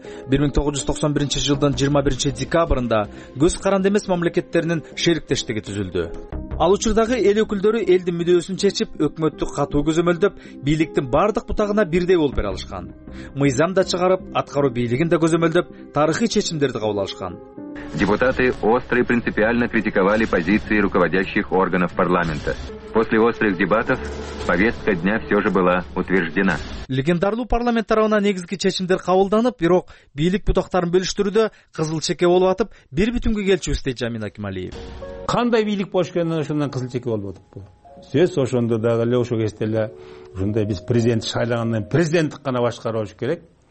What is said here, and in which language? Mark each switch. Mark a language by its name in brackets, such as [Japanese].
[Kyrgyz] 1991 жылдын 21 декабрында көз каранды эмес мамлекеттеринин шериктештиги түзүлдү. Ал учурдагы эл өкүлдөрү элдин мүдөөсүн чечип, өкмөттү катуу көзөмөлдөп, бийликтин бардык бутагына бирдей болуп бере алышкан. Мыйзам да чыгарып, аткаруу бийлигин да көзөмөлдөп, тарыхый чечимдерди кабыл алышкан. [Russian] Депутаты остро и принципиально критиковали позиции руководящих органов парламента. После острых дебатов повестка дня все же была утверждена. [Kyrgyz] Легендарлуу парламент тарабынан негизги чечимдер кабылданып, бирок бийлик бутактарын бөлүштүрүүдө кызыл чеке болуп атып, бир бүтүнгө келчүбүз дейт Жамин Акималиев. Кандай бийлик болуш керек, ошондон кызыл чеке болуп атыпбы? Сөз ошондо дагы эле ошол кезде эле ушундай биз президент шайлагандан президенттик гана башкарылыш керек.